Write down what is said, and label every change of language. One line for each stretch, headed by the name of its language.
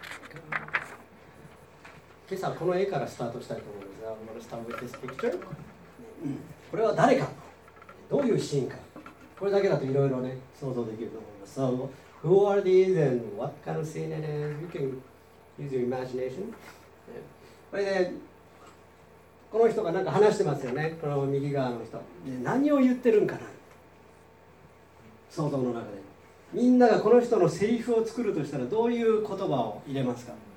Japanese: 今朝この絵からスタートしたいと思います。マルスタンブティスピクチャー。これは誰か、どういうシーンか、これだけだといろいろね想像できると思います。
English: So, who are these and what kind of scene it is? You can use your imagination.
Japanese: これでこの人が何か話してますよね。この右側の人。で何を言ってるんかな。想像の中で。みんながこの人のセリフを作るとしたらどういう言葉を入れますか。